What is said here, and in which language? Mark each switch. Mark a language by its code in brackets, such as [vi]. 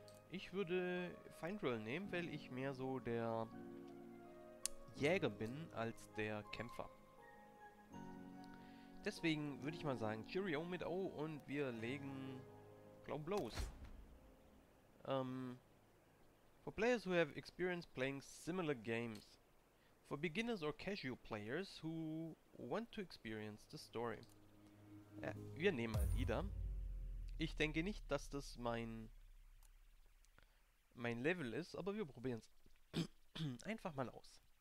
[de] Ich würde Faendral nehmen, weil ich mehr so der Jäger bin als der Kämpfer. Deswegen würde ich mal sagen, Cheerio mit O und wir legen glaub los. [en] For players who have experience playing similar games. For beginners or casual players who want to experience the story. [de] Ja, wir nehmen mal Lieder. Ich denke nicht, dass das mein Level ist, aber wir probieren es einfach mal aus.